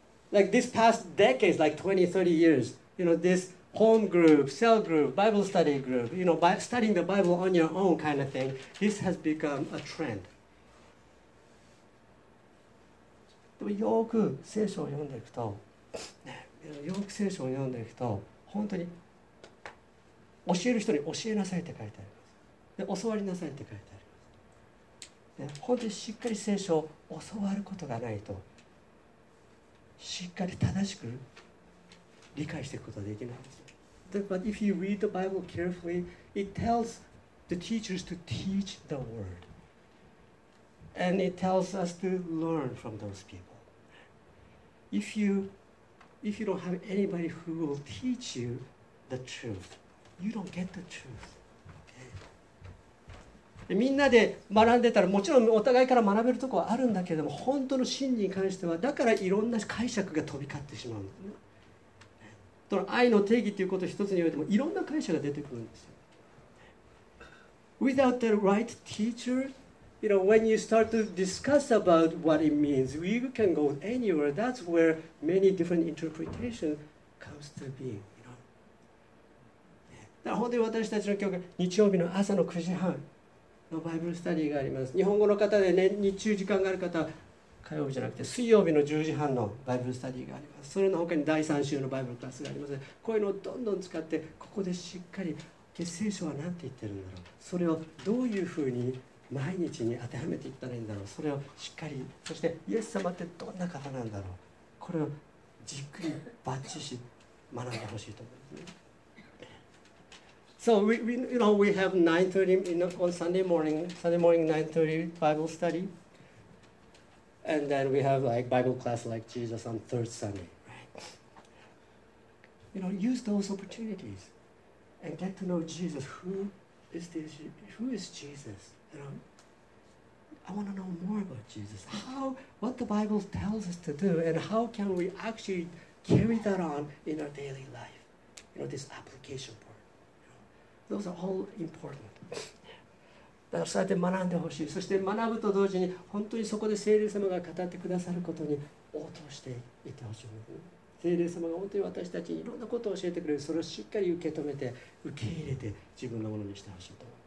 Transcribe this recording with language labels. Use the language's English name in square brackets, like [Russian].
[English] Like this past decades, like 20-30 years, you know this. home group, cell group, Bible study group, you know, by studying the Bible on your own kind of thing, this has become a trend. [Japanese] でもよく聖書を読んでいくと、よく聖書を読んでいくと、本当に教える人に教えなさいって書いてあります。で、教わりなさいって書いてあります。で、本当にしっかり聖書を教わることがないと、しっかり正しく理解していくことができないんです。 [English] But if you read the Bible carefully, it tells the teachers to teach the word. And it tells us to learn from those people. If you don't have anybody who will teach you the truth, you don't get the truth. [Japanese] みんなで学んでたらもちろんお互いから学べるところはあるんだけども、本当の真理に関してはだからいろんな解釈が飛び交ってしまうんですね。その愛の定義ということ一つにおいてもいろんな解釈が出てくるんですよ。 [English] Without the right teacher. You know, when you start to discuss about what it means, you can go anywhere. That's where many different interpretation comes to being. You know. [Japanese] だから本当に私たちの教会、日曜日の朝の9時半のバイブルスタディがあります。日本語の方でね、日中時間がある方は火曜日じゃなくて水曜日の10時半のバイブルスタディがあります。それの他に第3週のバイブルクラスがあります。こういうのをどんどん使って、ここでしっかり聖書は何て言ってるんだろう。それをどういうふうに毎日に当てはめていったらいいんだろう。それをしっかり、そしてイエス様ってどんな方なんだろう。これをじっくりバッチし学んでほしいと思います、ね。 [English] So we you know we have 9:30 in on Sunday morning 9:30 Bible study, and then we have like Bible class like Jesus on third Sunday. Right? You know, use those opportunities and get to know Jesus. Who is Jesus? I want to know more about Jesus. How, what the Bible tells us to do, and how can we actually carry that on in our daily life? You know, this application part. You know, those are all important. [Japanese] だからそうやって学んでほしい。そして学ぶと同時に、本当にそこで聖霊様が語ってくださることに応答していってほしい。聖霊様が本当に私たちにいろんなことを教えてくれる。それをしっかり受け止めて、受け入れて自分のものにしてほしいと。